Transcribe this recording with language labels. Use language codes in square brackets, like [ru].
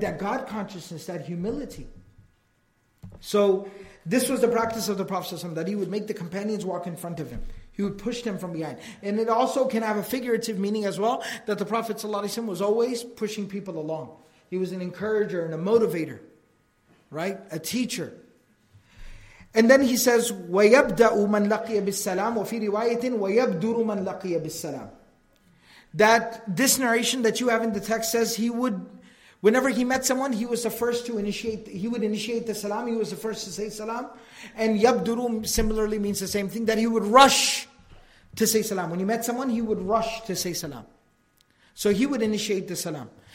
[en] That God consciousness, that humility. So this was the practice of the Prophet ﷺ, that he would make the companions walk in front of him. He would push them from behind. And it also can have a figurative meaning as well, that the Prophet ﷺ was always pushing people along. He was an encourager and a motivator, right? A teacher. And then he says, [ar] وَيَبْدَأُ مَنْ لَقِيَ بِالسَّلَامُ وَفِي رِوَايَةٍ وَيَبْدُرُ مَنْ لَقِيَ بِالسَّلَامُ. [en] That this narration that you have in the text says he would, whenever he met someone, he was the first to initiate, he would initiate the salam, he was the first to say salam. And yabduru similarly means the same thing, that he would rush to say salam. When he met someone, he would rush to say salam. So he would initiate the salam.